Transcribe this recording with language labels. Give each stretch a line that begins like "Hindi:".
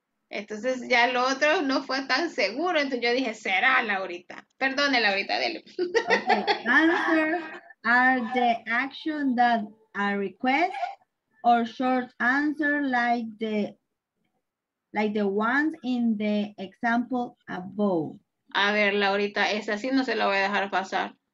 Spanish: Entonces ya lo otro no fue tan seguro. Entonces yo dije, será, Laurita. Perdone, Laurita, dele. Okay.
English: Answers are the action that a request or short answer like the ones in the example above.
Spanish: A ver, Laurita, esa sí no se la voy a dejar pasar.